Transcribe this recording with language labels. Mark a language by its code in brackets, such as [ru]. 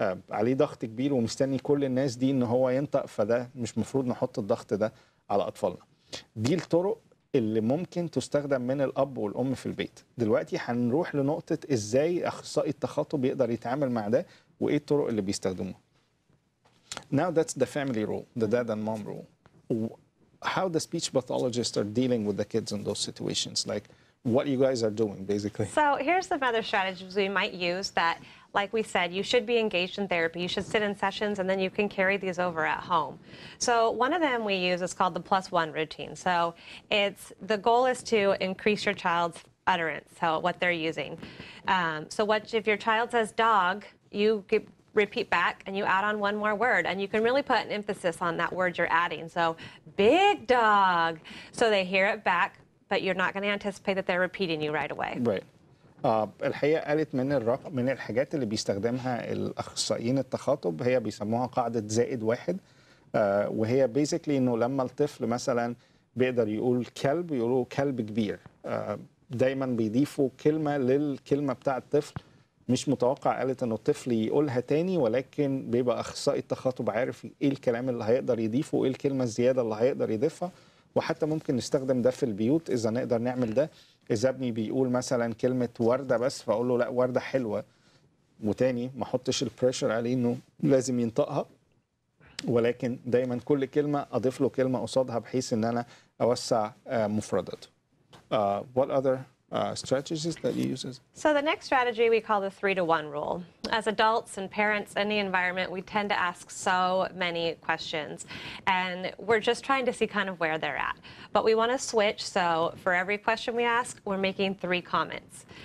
[ar] عليه ضغط كبير ومستني كل الناس دي أنه هو ينطق فده مش مفروض نحط الضغط ده على أطفالنا دي الطرق اللي ممكن تستخدم من الأب والأم في البيت دلوقتي هنروح لنقطة إزاي أخصائي التخاطب يقدر يتعامل مع ده وإيه الطرق اللي بيستخدمه [en] Now that's the family role, the dad and mom role. How the speech pathologists are dealing with the kids in those situations? Like, what you guys are doing, basically? So here's some other strategies we might use that, like we said, you should be engaged in therapy. You should sit in sessions, and then you can carry these over at home. So one of them we use is called the plus one routine. So it's the goal is to increase your child's utterance, so what they're using. So what if your child says dog, you get... repeat back and you add on one more word and you can really put an emphasis on that word you're adding so big dog so they hear it back but you're not going to anticipate that they're repeating you right away right [ar] الحقيقة قالت من الرقم من الحاجات اللي بيستخدمها الأخصائيين التخاطب هي بيسموها قاعدة زائد واحد، وهي بيزيكلي إنه لما الطفل مثلا بيقدر يقول كلب يقولوا كلب كبير، دايما بيضيفوا كلمة للكلمة بتاع الطفل مش متوقع، قالت إنه الطفل يقولها تاني، ولكن بيبقى أخصائي التخاطب عارف إيه الكلام اللي هيقدر يضيفه وإيه الكلمة الزيادة اللي هيقدر يضيفها. وحتى ممكن نستخدم ده في البيوت إذا نقدر نعمل ده، إذا ابني بيقول مثلا كلمة وردة بس فأقول له لأ وردة حلوة، وتاني ما حطش البريشر عليه إنه لازم ينطقها، ولكن دايما كل كلمة أضيف له كلمة قصادها بحيث إن أنا أوسع مفرداته. [en] What other strategies that he uses? So the next strategy we call the 3-to-1 rule. As adults and parents in the environment, we tend to ask so many questions, and we're just trying to see kind of where they're at. But we want to switch, so for every question we ask, we're making 3 comments.